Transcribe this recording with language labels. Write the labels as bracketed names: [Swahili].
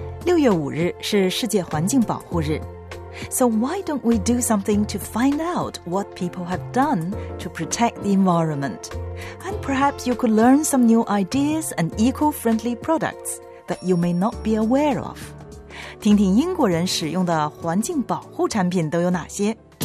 [Chinese] 6月5日是世界环境保护日。 [English] So why don't we do something to find out what people have done to protect the environment? And perhaps you could learn some new ideas and eco-friendly products that you may not be aware of. [Chinese] 听听英国人使用的环境保护产品都有哪些。